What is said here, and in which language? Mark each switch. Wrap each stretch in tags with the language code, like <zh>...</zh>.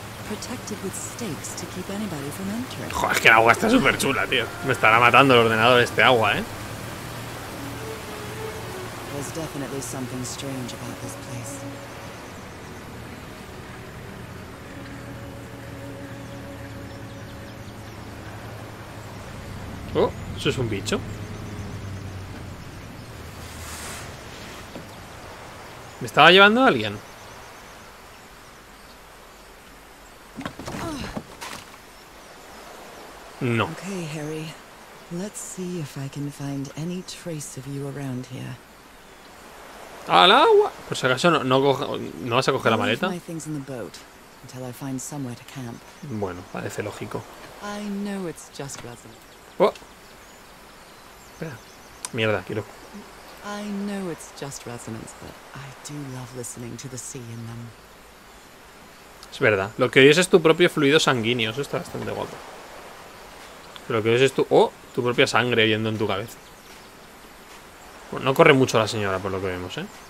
<en>Protected with stakes to keep anybody from entering.</en> <es>Joder, es que el agua está súper chula, tío. Me estará matando el ordenador este agua, ¿eh?</es> <en>There's definitely something strange about this place.</en> <es>Oh, eso es un bicho. ¿Me estaba llevando a alguien? No.</es> <en>Okay, Harry. Let's see if I can find any trace of you around here.</en> <es>Al agua. Por si acaso no vas a coger la maleta.</es> <en>My things in the boat until I find somewhere to camp.</en> <es>Bueno, parece lógico.</es> <en>I know it's just resin.</en> <es>Oh. Espera. Mierda, quiero.</es> <en>I know it's just resonance, but I do love listening to the sea in them.</en> <es>Es verdad. Lo que oyes es tu propio fluido sanguíneo. Eso está bastante guapo. Pero que es tu... ¡Oh! Tu propia sangre yendo en tu cabeza. Bueno, no corre mucho la señora, por lo que vemos, ¿eh?</es>